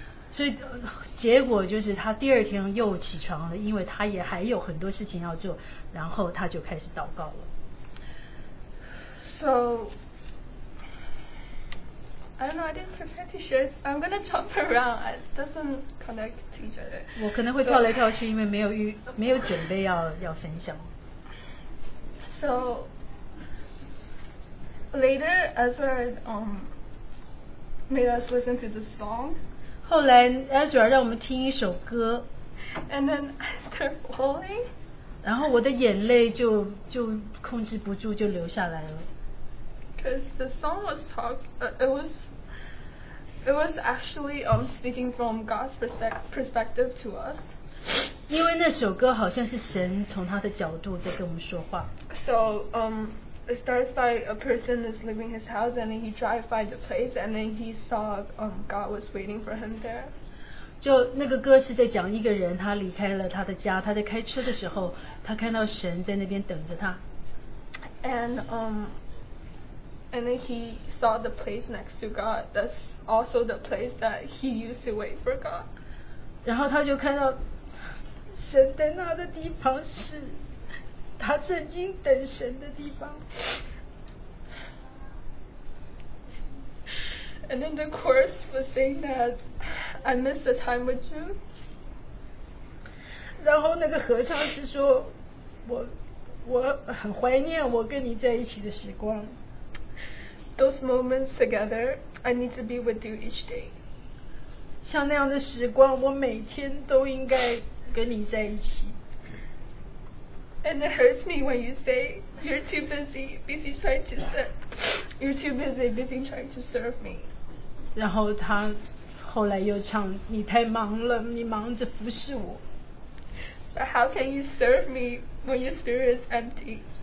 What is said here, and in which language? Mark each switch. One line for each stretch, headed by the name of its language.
Chinese: 所以结果就是他第二天又起床了，因为他也还有很多事情要做，然后他就开始祷告了。
English: So, I don't know, I didn't prepare to share. I'm going to jump around. It doesn't connect to each other.
Chinese: 我可能会跳来跳去，因为没有准备要分享。
English: So, later, Ezra made us listen to the song.
Chinese: 后来 Ezra 让我们听一首歌。
English: And then I started falling.
Chinese: 然后我的眼泪就控制不住就流下来了。
English: Because the song was actually speaking from God's perspective to us.
Chinese: 因为那首歌好像是神从他的角度在跟我们说话。
English: So, it starts by a person is leaving his house and then he drives by the place and then he saw God was waiting for him there.
Chinese: 就那个歌是在讲一个人他离开了他的家，他在开车的时候，他看到神在那边等着他。
English: And then he saw the place next to God. That's also the place that he used to wait for God.
Chinese: 然后他就看到神在那的地方是他曾经等神的地方。
English: And then the chorus was saying that I miss the time with you.
Chinese: 然后那个合唱是说我很怀念我跟你在一起的时光。
English: Those moments together, I need to be with you each day.
Chinese: 像那样的时光，我每天都应该跟你在一起。
English: And it hurts me when you say you're too busy, busy trying to serve. You're too busy, busy trying to serve me.
Chinese: 然后他后来又唱，你太忙了，你忙着服侍我。
English: But how can you serve me when your spirit is empty?